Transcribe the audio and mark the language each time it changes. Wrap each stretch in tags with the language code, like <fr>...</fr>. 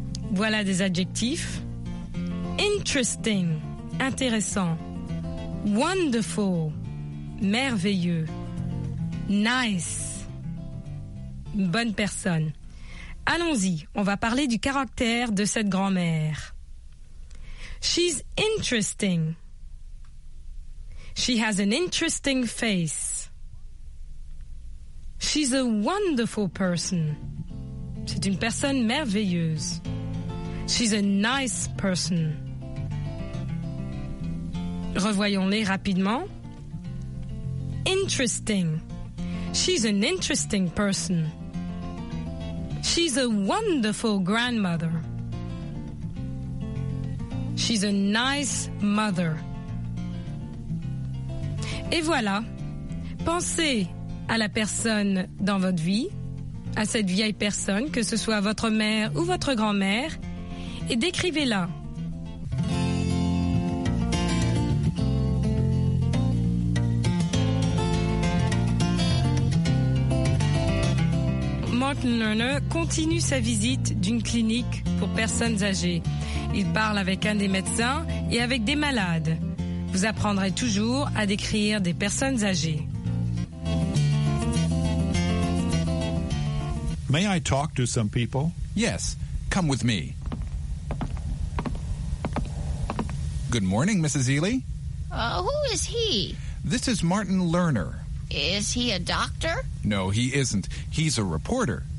<fr>Voilà des adjectifs. Interesting, intéressant. Wonderful, merveilleux. Nice, une bonne personne. Allons-y, on va parler du caractère de cette grand-mère.</fr> <en>She's interesting. She has an interesting face. She's a wonderful person.</en> <fr>C'est une personne merveilleuse.</fr> <en>She's a nice person.</en> <fr>Revoyons-les rapidement.</fr> <en>Interesting. She's an interesting person. She's a wonderful grandmother. She's a nice mother.</en> <fr>Et voilà. Pensez à la personne dans votre vie, à cette vieille personne, que ce soit votre mère ou votre grand-mère, et décrivez-la. Martin Lerner continue sa visite d'une clinique pour personnes âgées. Il parle avec un des médecins et avec des malades. Vous apprendrez toujours à décrire des personnes âgées.</fr> <en>May I talk to some people? Yes, come with me. Good morning, Mrs. Ely. Who is he? This is Martin Lerner. Is he a doctor? No, he isn't. He's a reporter.</en>